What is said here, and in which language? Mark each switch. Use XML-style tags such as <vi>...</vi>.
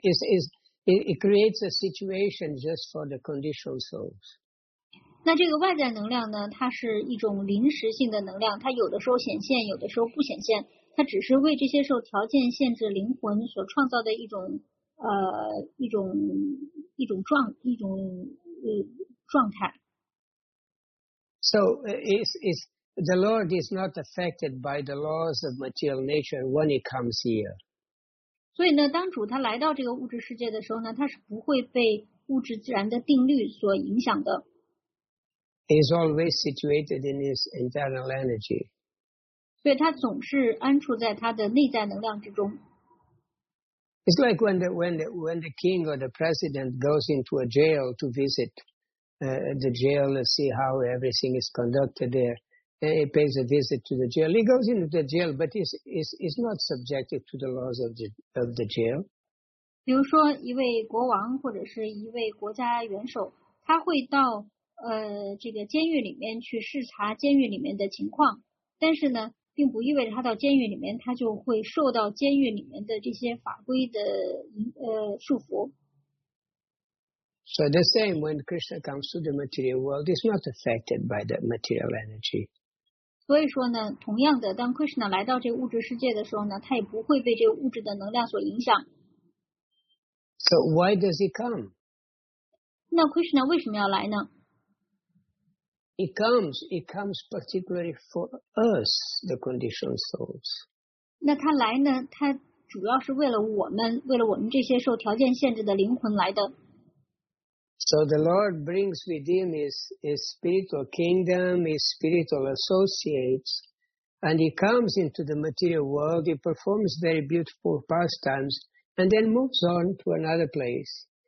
<en>It creates a situation just for the conditioned souls.</en> <zh>那这个外在能量呢，它是一种临时性的能量，它有的时候显现，有的时候不显现，它只是为这些受条件限制灵魂所创造的一种状态。</zh> <en>So it's the Lord is not affected by the laws of material nature when he comes here.</en> <zh>所以呢，当主他来到这个物质世界的时候呢，他是不会被物质自然的定律所影响的。</zh> <en>He's always situated in his internal energy.</en> <zh>所以他总是安处在他的内在能量之中。</zh> <en>It's like when the king or the president goes into a jail to visit the jail to see how everything is conducted there. And he pays a visit to the jail. He goes into the jail, but is not subjected to the laws of the jail.</en> <zh>比如说一位国王或者是一位国家元首，他会到这个监狱里面去视察监狱里面的情况，但是呢，并不意味着他到监狱里面，他就会受到监狱里面的这些法规的束缚。</zh> <en>So the same when Krishna comes to the material world, is not affected by the material energy.</en> <zh>所以说呢，同样的，当 Krishna 来到这物质世界的时候呢，他也不会被这物质的能量所影响。</zh> <en>So why does he come?</en> <zh>那 Krishna 为什么要来呢？</zh> <en>It comes particularly for us, the conditioned souls.</en> <zh>那他来呢？他主要是为了我们这些受条件限制的灵魂来的。</zh> <en>So the Lord brings with him his spiritual kingdom, his spiritual associates, and he comes into the material world. He performs very beautiful pastimes, and then moves on to another place.</en>